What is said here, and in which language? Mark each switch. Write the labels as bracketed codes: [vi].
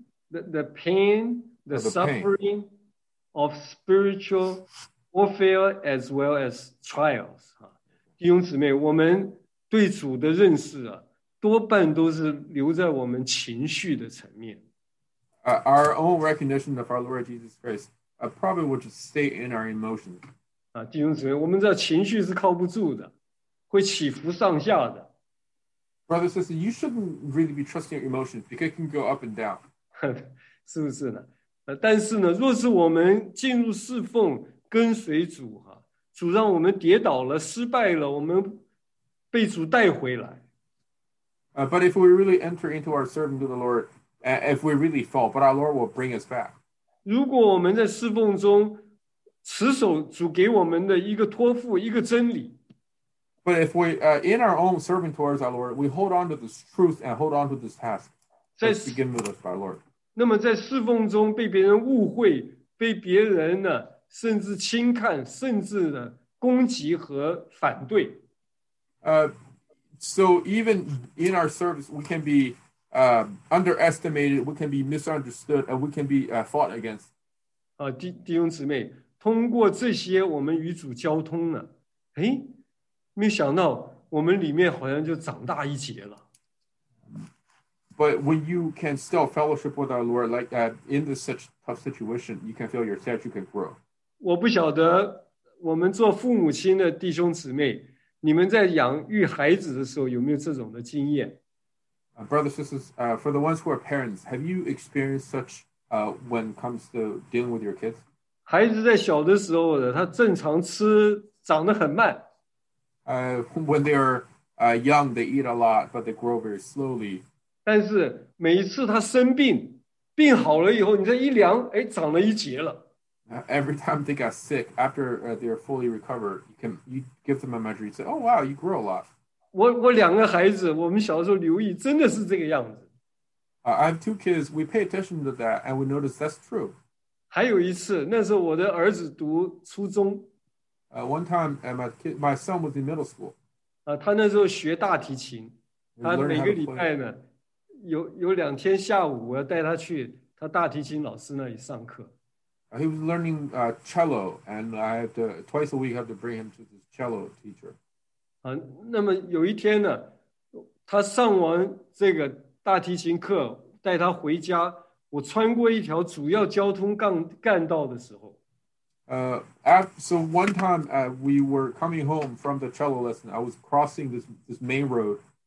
[en] The pain, the suffering of spiritual warfare as well as trials. [zh] 弟兄姊妹，我们对主的认识啊，多半都是留在我们情绪的层面。 [en] Our own recognition of our Lord Jesus Christ probably will just stay in our emotions. [zh] 弟兄姊妹，我们知道情绪是靠不住的，会起伏上下的。 [en] Brother, sister, you shouldn't really be trusting your emotions because it can go up and down. [zh] 是不是呢？但是呢，若是我们进入侍奉，跟随主哈，主让我们跌倒了、失败了，我们被主带回来。 [en] But if we really enter into our servant to the Lord, if we really fall, but our Lord will bring us back. [zh] 如果我们在侍奉中持守主给我们的一个托付、一个真理。 [en] But if we, in our own serving towards our Lord, we hold on to this truth and hold on to this task that's given with us by our Lord. [zh] 那么在侍奉中被别人误会，被别人呢，甚至轻看，甚至呢，攻击和反对。 [en] So even in our service, we can be underestimated, we can be misunderstood, and we can be fought against. [zh] 弟兄姊妹，通过这些我们与主交通呢，诶？没想到我们里面好像就长大一截了。 [en] But when you can still fellowship with our Lord like that in this such tough situation, you can feel your stature can grow. [zh] 我不晓得我们做父母亲的弟兄姊妹，你们在养育孩子的时候有没有这种的经验？ [en] Brothers, sisters, for the ones who are parents, have you experienced such when it comes to dealing with your kids? [zh] 孩子在小的时候呢，他正常吃，长得很慢。 [en] When they are young, they eat a lot, but they grow very slowly. [zh] 但是每一次他生病，病好了以后，你再一量，哎，长了一截了。 [en] Every time they got sick, after they are fully recovered, you give them a measure. You say, "Oh wow, you grow a lot." [zh] 我两个孩子，我们小时候留意，真的是这个样子。 [en] I have two kids. We pay attention to that, and we notice that's true. [zh] 还有一次，那时候我的儿子读初中。 [en] One time, my son was in middle school. [zh] 他那时候学大提琴，他每个礼拜呢，有两天下午我要带他去他大提琴老师那里上课。 [en] He was learning cello, and I had to twice a week have to bring him to the cello teacher. [zh] 那么有一天呢，他上完这个大提琴课，带他回家，我穿过一条主要交通干道的时候。 [en] So one time we were coming home from the cello lesson. I was crossing this main road.